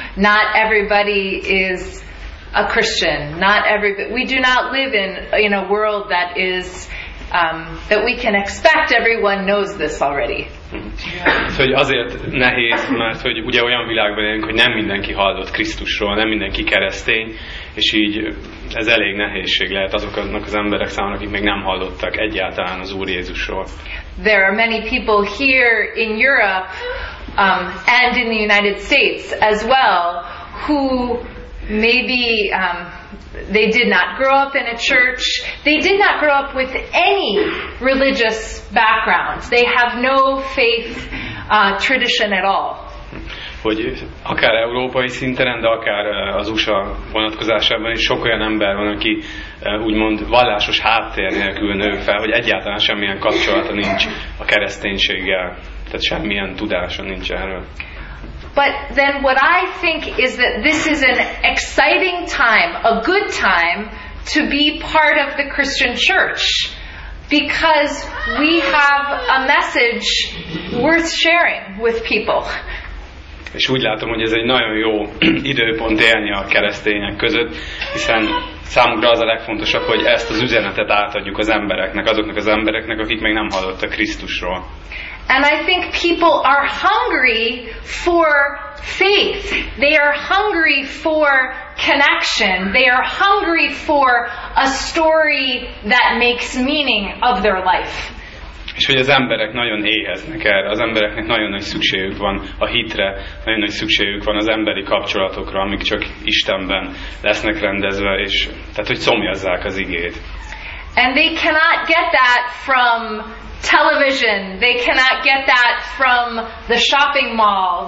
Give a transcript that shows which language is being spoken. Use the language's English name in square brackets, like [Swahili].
[English] Not everybody is a Christian, not everybody. We do not live in a world that is that we can expect everyone knows this already. Yeah. [Hungarian] Hogy azért nehéz, mert hogy ugye olyan világban élünk, hogy nem mindenki hallott Krisztusról, nem mindenki keresztény, és így ez elég nehézség lehet azoknak az emberek számára, akik még nem hallottak egyáltalán az Úr Jézusról. [English] There are many people here in Europe and in the United States as well who maybe they did not grow up in a church. They did not grow up with any religious background. They have no faith tradition at all. [Hungarian] Hogy akár európai szinten, de akár az USA vonatkozásában is sok olyan ember van, aki úgymond vallásos háttér nélkül nő fel, hogy egyáltalán semmilyen kapcsolata nincs a kereszténységgel. Tehát semmilyen tudása nincs erről. [English] But then what I think is that this is an exciting time, a good time, to be part of the Christian church. Because we have a message worth sharing with people. [Hungarian] És úgy látom, hogy ez egy nagyon jó időpont élni a keresztények között, hiszen számukra az a legfontosabb, hogy ezt az üzenetet átadjuk az embereknek, azoknak az embereknek, akik még nem hallottak Krisztusról. [English] And I think people are hungry for faith. They are hungry for connection. They are hungry for a story that makes meaning of their life. [Hungarian] És hogy az emberek nagyon éheznek erre, az embereknek nagyon nagy szükségük van a hitre, nagyon nagy szükségük van az emberi kapcsolatokra, amik csak Istenben lesznek rendezve, és tehát hogy szomjazzák az igét. [English] And they cannot get that from television. They cannot get that from the shopping mall.